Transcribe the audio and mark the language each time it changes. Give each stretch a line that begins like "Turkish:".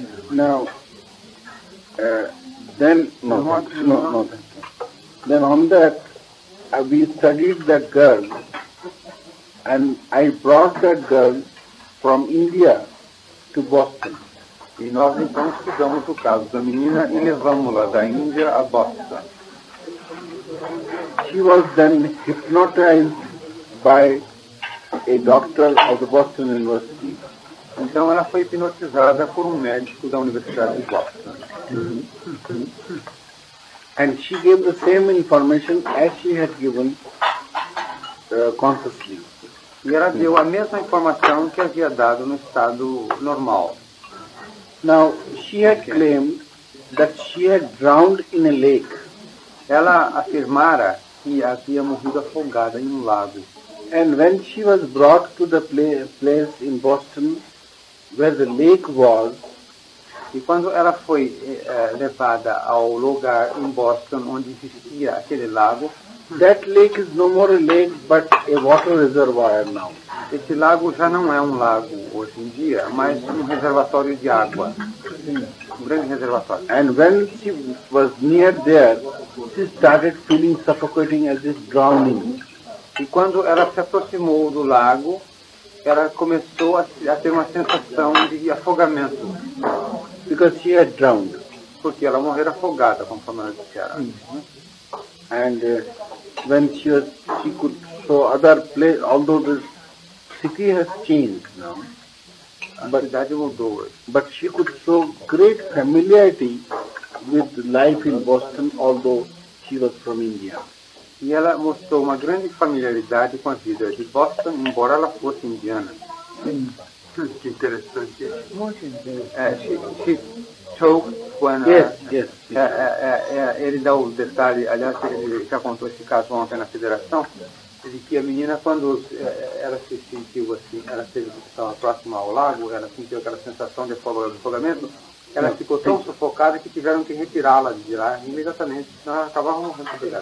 English: Now, then on that, we studied that girl, and I brought that girl from India to Boston.
Portuguese: E nós então estudamos o caso da menina e levamos-la da Índia a Boston.
English: She was then hypnotized by a doctor of the Boston University.
Portuguese: Então ela foi hipnotizada por médico da Universidade de Boston.
English: And she gave the same information as she had given consciously.
Portuguese: E ela deu a mesma informação que havia dado no estado normal.
English: Now, she had claimed that she had drowned in a lake.
Portuguese: Ela afirmara que havia morrido afogada em lago.
English: And when she was brought to the place in Boston where the lake was,
Portuguese: e quando ela foi levada ao lugar em Boston onde existia aquele lago,
English: that lake is no more a lake but a water reservoir now.
Portuguese: Esse lago já não é um lago hoje em dia, mas um reservatório de água. Um grande reservatório.
English: And when she was near there, she started feeling suffocating as if drowning.
Portuguese: E quando ela se aproximou do lago, ela começou a ter uma sensação de afogamento.
English: Because she had drowned.
Portuguese: Porque ela morreu afogada, conforme ela disseram. Mm-hmm.
English: And when she could show other place, although the city has changed now, but that mudou. But she could show great familiarity with life in Boston, although she was from India.
Portuguese: E ela mostrou uma grande familiaridade com a vida de Boston, embora ela fosse indiana. Que interessante. Muito interessante.
English: She choked when... Yes.
Portuguese: Ele dá o detalhe, aliás, ele já contou esse caso ontem na federação, de que a menina, quando ela se sentiu assim, ela teve que estar próxima ao lago, ela sentiu aquela sensação de afogamento, ela ficou tão sufocada que tiveram que retirá-la de lá imediatamente, senão ela acabava morrendo.